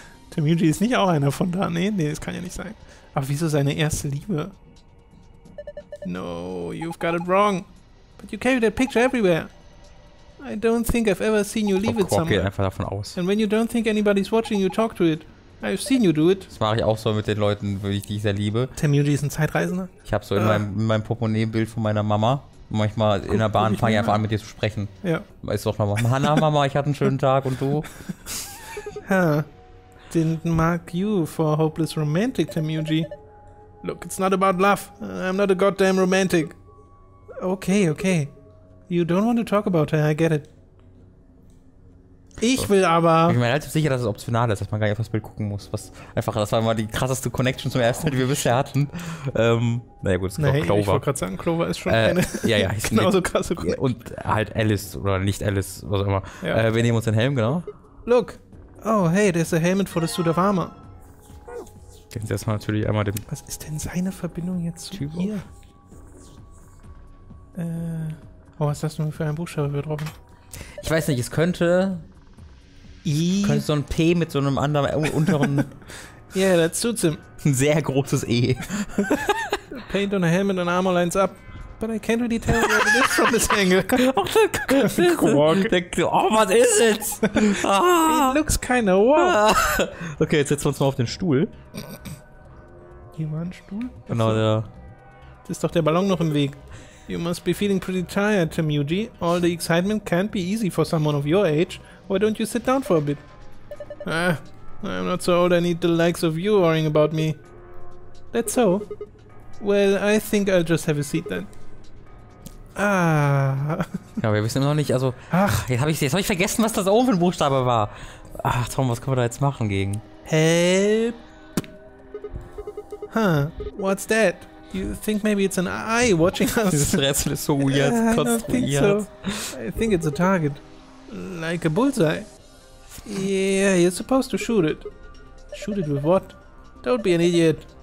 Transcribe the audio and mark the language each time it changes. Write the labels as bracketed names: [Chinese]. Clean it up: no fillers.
[German] Temuji ist nicht auch einer von da. Nee, das kann ja nicht sein. Aber wieso seine erste Liebe? [English] No, you've got it wrong. But you carry that picture everywhere. I don't think I've ever seen you leave it somewhere. [German] Ich gehe einfach davon aus. [English] And when you don't think anybody's watching, you talk to it. I've seen you do it. [German] Das mache ich auch so mit den Leuten, die ich sehr liebe. Temuji ist ein Zeitreisender. Ich habe so in meinem Portemonnaie-Bild von meiner Mama. Manchmal in der Bahn fange ich einfach an, mit dir zu sprechen. Ja. Weißt du auch nochmal, Hanna, Mama, ich hatte einen schönen Tag und du? [English] Huh. Didn't mark you for hopeless romantic, Temuji. Look, it's not about love. I'm not a goddamn romantic. Okay, okay. You don't want to talk about her, I get it. [German] Ich will aber... Ich bin mir relativ sicher, dass es optional ist, dass man gar nicht auf das Bild gucken muss. Was einfach, das war immer die krasseste Connection zum ersten, die wir bisher hatten. Naja gut, es ist auch Clover. Ich wollte gerade sagen, Clover ist schon eine ja, genauso krasse Connection. Und halt Alice oder nicht Alice, was auch immer. Ja. Wir nehmen uns den Helm, genau. [English] Look. Oh, hey, there's a helmet for the suit of armor. [German] Gehen Sie erstmal natürlich einmal den... Was ist denn seine Verbindung jetzt zu hier? Oh, was ist das denn für ein Buchstabe betroffen? Ich weiß nicht, es könnte... I? Könnte so ein P mit so einem anderen unteren... [English] Yeah, that suits him. [German] Ein sehr großes E. [English] P paint on a helmet and armor lines up. But I can't really tell what it is from this angle. [German] Oh, was ist es? [English] It looks kind of wild. [German] Okay, jetzt setzen wir uns mal auf den Stuhl. Hier war ein Stuhl? Genau, der. Jetzt ist doch der Ballon noch im Weg. [English] You must be feeling pretty tired, Temuji. All the excitement can't be easy for someone of your age. Why don't you sit down for a bit? I'm not so old, I need the likes of you worrying about me. That's so. Well, I think I'll just have a seat then. [German] Ja, wir wissen immer noch nicht, also... Ach, jetzt hab ich vergessen, was das oben Buchstabe war. Ach, Tom, was können wir da jetzt machen gegen? [English] Help! What's that? You think maybe it's an eye watching us? [German] Dieses Rätsel ist so weird, konstruiert. [English] I don't think so. I think it's a target. Like a bullseye. Yeah, you're supposed to shoot it. Shoot it with what? Don't be an idiot.